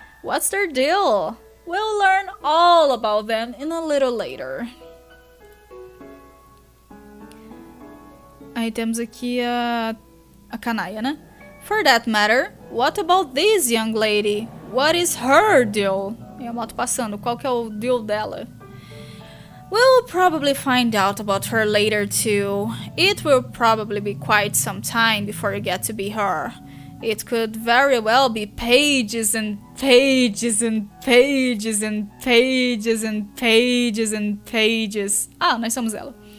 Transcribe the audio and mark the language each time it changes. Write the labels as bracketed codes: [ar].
[en] What's their deal? We'll learn all about them in a little later. [pt] Aí temos aqui a Canaia, né? [en] For that matter, what about this young lady? What is her deal? [pt] E a moto passando, qual que é o deal dela? [en] We'll probably find out about her later too. It will probably be quite some time before you get to be her. It could very well be pages and pages and pages and pages and pages and pages. [pt] Ah, nós somos ela.